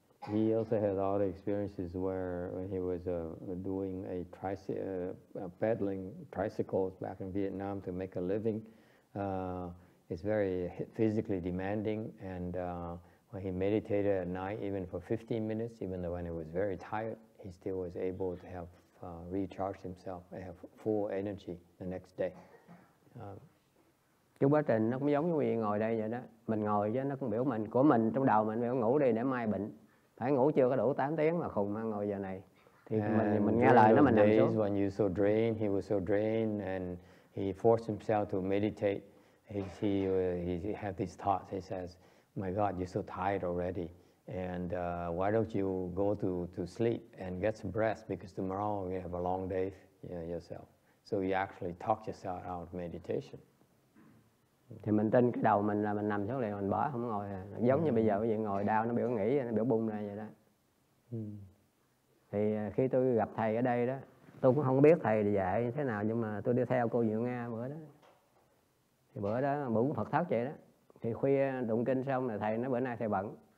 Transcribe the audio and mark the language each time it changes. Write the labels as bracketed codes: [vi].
[en] He also had all the experiences where when he was doing a peddling tricycles back in Vietnam to make a living. It's very physically demanding, and when he meditated at night, even for 15 minutes, even though when he was very tired, he still was able to have recharged himself and have full energy the next day. [vi] Cái quá trình nó cũng giống như ngồi đây vậy đó. Mình ngồi chứ nó cũng biểu mình của mình trong đầu mình phải ngủ đi để mai bệnh. Phải ngủ chưa có đủ 8 tiếng mà khùng ăn ngồi giờ này. Thì mình nghe lời nó mình nằm xuống. [en] When you so drained, he was so drained and he forced himself to meditate. He had these thoughts. He says, "My God, you're so tired already. And why don't you go to sleep and get some rest because tomorrow you have a long day yourself." So you actually talk yourself out of meditation. [vi] Thì mình tin cái đầu mình là mình nằm xuống liền, mình bỏ không ngồi à. Giống như bây giờ quý vị ngồi đau nó biểu nghỉ, nó biểu bung ra vậy đó. Thì khi tôi gặp thầy ở đây đó, tôi cũng không biết thầy dạy như thế nào, nhưng mà tôi đi theo cô Diệu Nga bữa đó. Thì bữa đó bụng Phật thất vậy đó. Thì khuya tụng kinh xong là thầy nói bữa nay thầy bận.